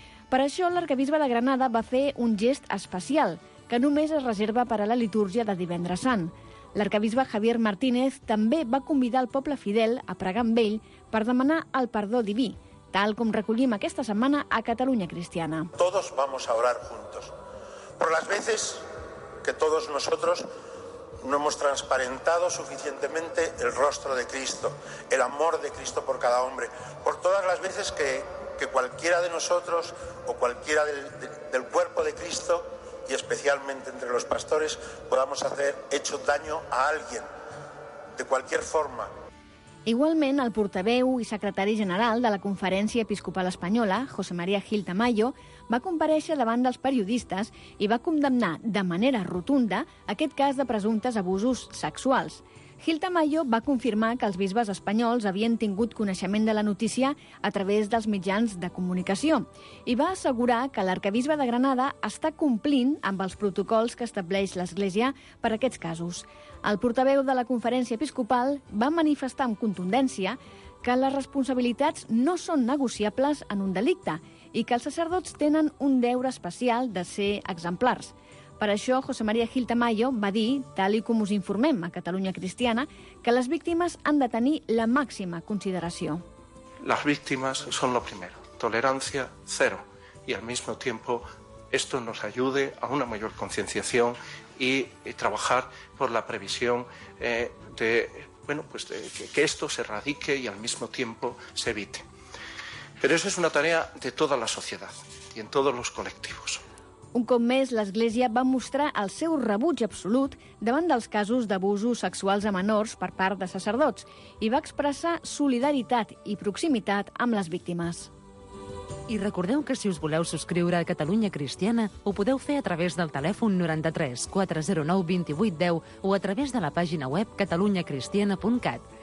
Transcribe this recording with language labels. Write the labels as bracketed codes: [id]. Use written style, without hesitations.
[ca] Per això, l'arcabisbe de Granada va fer un gest especial, que només es reserva per a la litúrgia de Divendres Sant. L'arcabisbe Javier Martínez també va convidar el poble fidel a pregar amb ell per demanar el perdó diví, tal com recollim aquesta setmana a Catalunya Cristiana. [es] Todos vamos a orar juntos. Por las veces que todos nosotros no hemos transparentado suficientemente el rostro de Cristo, el amor de Cristo por cada hombre, por todas las veces que cualquiera de nosotros o cualquiera del cuerpo de Cristo, y especialmente entre los pastores, podamos hacer hecho daño a alguien, de cualquier forma. [ca] Igualment, el portaveu i secretari general de la Conferència Episcopal Espanyola, José María Gil Tamayo, va comparèixer davant dels periodistes i va condemnar de manera rotunda aquest cas de presumptes abusos sexuals. Gil Tamayo va confirmar que els bisbes espanyols havien tingut coneixement de la notícia a través dels mitjans de comunicació i va assegurar que l'arcabisbe de Granada està complint amb els protocols que estableix l'Església per aquests casos. El portaveu de la Conferència Episcopal va manifestar amb contundència que les responsabilitats no són negociables en un delicte i que els sacerdots tenen un deure especial de ser exemplars. Per això, José María Gil Tamayo va dir, tal i com us informem a Catalunya Cristiana, que les víctimes han de tenir la màxima consideració. [es] Las víctimas son lo primero, tolerancia cero. Y al mismo tiempo, esto nos ayude a una mayor concienciación y trabajar por la previsión que esto se erradique y al mismo tiempo se evite. Pero eso es una tarea de toda la sociedad y en todos los colectivos. [ca] Un cop més, l'Església va mostrar el seu rebuig absolut davant dels casos d'abusos sexuals a menors per part de sacerdots i va expressar solidaritat i proximitat amb les víctimes. I recordeu que si us voleu subscriure a Catalunya Cristiana, ho podeu fer a través del telèfon 93 409 2810 o a través de la pàgina web catalunyacristiana.cat.